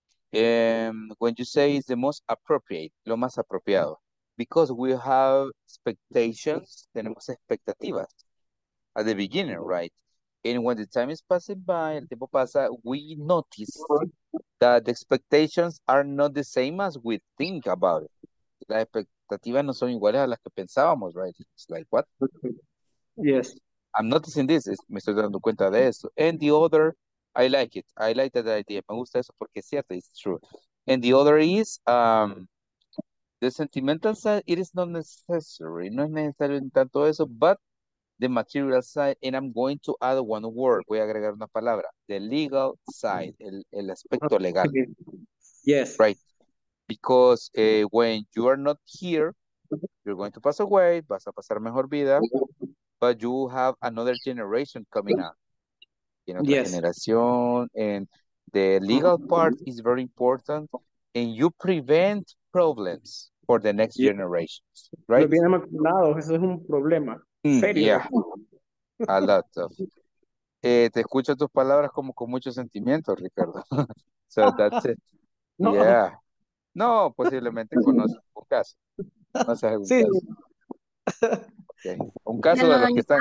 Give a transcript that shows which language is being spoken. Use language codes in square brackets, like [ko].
[en] When you say it's the most appropriate, [es] lo más apropiado, [en] because we have expectations, [es] tenemos expectativas [en] at the beginning, right? And when the time is passing by, [es] el tiempo pasa, [en] we notice that the expectations are not the same as we think about it. [es] Las expectativas no son iguales a las que pensábamos, right? [en] It's like, what? Yes. I'm noticing this. [es] Me estoy dando cuenta de eso. [en] And the other, I like it. I like that idea. [es] Me gusta eso porque es cierto. [en] It's true. And the other is, the sentimental side, it is not necessary. [es] No es necesario en tanto eso, [en] but the material side, and I'm going to add one word. [es] Voy a agregar una palabra. [en] The legal side, [es] el aspecto legal. [en] Yes. Right. Because when you are not here, you're going to pass away, [es] vas a pasar mejor vida, [en] but you have another generation coming up. You know, yes. Generación, and the legal part is very important, and you prevent problems for the next generations, right? [es] Pero bien amaculado, eso es un problema. Serio. [en] Yeah, a lot of. [es] Te escucho tus palabras como con mucho sentimiento, Ricardo. [en] So that's it. [es] No. Yeah. No, posiblemente conoce un caso. No sé, algún sí. Caso. Okay. Un caso de los que están.